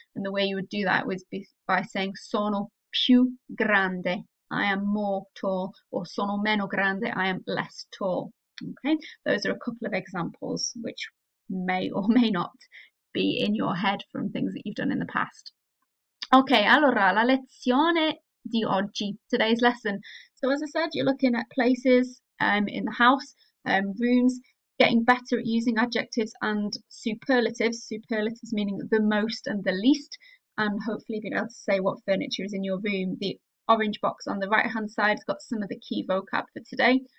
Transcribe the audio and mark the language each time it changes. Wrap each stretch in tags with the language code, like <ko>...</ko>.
<en>And the way you would do that would be by saying</en> <it>sono più grande.</it> <en>I am more tall, or</en> <it>sono meno grande,</it> <en>I am less tall. Okay, those are a couple of examples which may or may not be in your head from things that you've done in the past.</en> <it>Okay, allora la lezione di oggi,</it> <en>today's lesson. So, as I said, you're looking at places in the house, rooms, getting better at using adjectives and superlatives, superlatives meaning the most and the least, and hopefully being able to say what furniture is in your room. The orange box on the right-hand side has got some of the key vocab for today.</en>